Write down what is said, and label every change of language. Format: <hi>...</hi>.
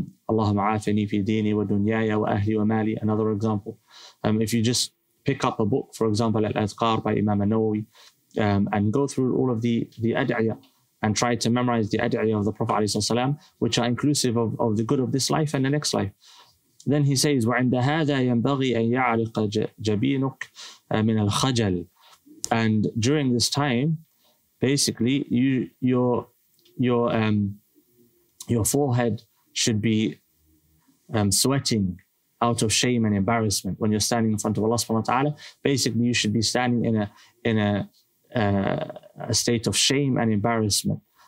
<ar>اللهم عافني في ديني ودنياي وأهلي ومالي.</ar> <en>Another example. If you just pick up a book, for example, Al-Adhkar by Imam An-Nawawi, and go through all of the ad'iyah, and try to memorize the ad'iyah of the Prophet</en> <ar>عليه الصلاة والسلام,</ar> <en>which are inclusive of the good of this life and the next life. Then he says,</en> <ar>وَعِنْدَ هَذَا يَنْبَغِي أَنْ يَعْلِقَ جَبِينُكَ مِنَ الْخَجَلِ.</ar> <en>And during this time, basically, your forehead should be sweating out of shame and embarrassment when you're standing in front of Allah subhanahu wa ta'ala. Basically, you should be standing in a state of shame and embarrassment.</en>